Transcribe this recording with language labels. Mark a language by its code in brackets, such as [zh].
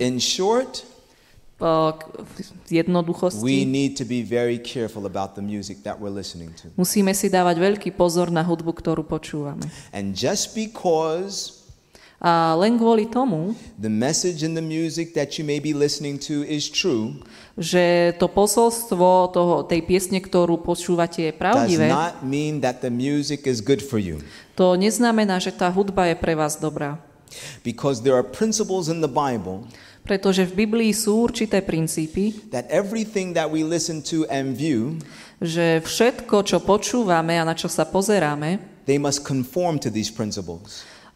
[en] In short, we need to be very careful about the music that we're listening to. [sk] Musíme si dávať veľký pozor na hudbu, ktorú počúvame. [en] And just because [sk] a len kvôli tomu, [en] the message in the music that you may be listening to is true, [sk] že to posolstvo toho tej piesne, ktorú počúvate, je pravdivé, [en] does not mean that the music is good for you. [sk] To neznamená, že tá hudba je pre vás dobrá. [en] Because there are principles in the Bible, [sk] pretože v Biblii sú určité princípy, [en] that everything that we listen to and view, [sk] že všetko, čo počúvame a na čo sa pozeráme, [en] they must conform to these principles.